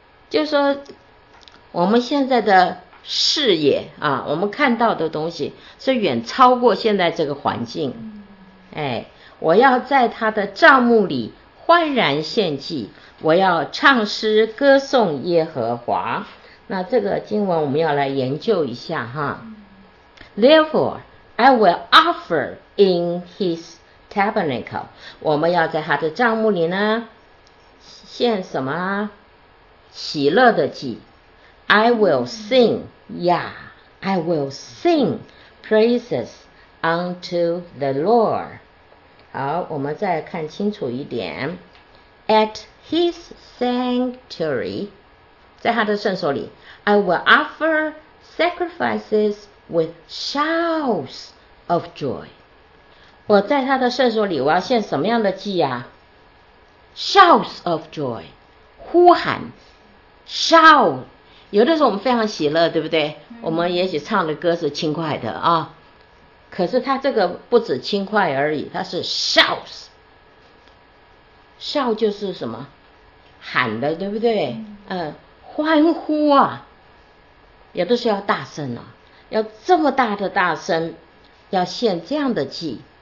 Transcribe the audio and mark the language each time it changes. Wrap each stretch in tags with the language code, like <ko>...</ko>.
<zh>就说我们现在的视野啊，我们看到的东西是远超过现在这个环境。我要在他的帐幕里欢然献祭，我要唱诗歌颂耶和华。那这个经文我们要来研究一下哈。</zh> <en>Therefore, I will offer in his tabernacle.</en> <zh>我们要在他的帐幕里呢，献什么？喜乐的祭。</zh> <en>I will sing, yeah, I will sing praises unto the Lord.</en> <zh>好，我们再看清楚一点。</zh> <en>At his sanctuary,</en> <zh>在他的圣所里，</zh> <en>I will offer sacrifices with shouts of joy.</en> <zh>我在他的圣所里，我要献什么样的祭啊？</zh> <en>Shouts of joy,</en> <zh>呼喊，</zh> <en>shout.</en> <zh>有的时候我们非常喜乐，对不对？我们也许唱的歌是轻快的啊，可是他这个不止轻快而已，他是 shouts。笑就是什么喊的，对不对？欢呼啊，有的时候要大声啊，要这么大的大声，要献这样的祭。</zh>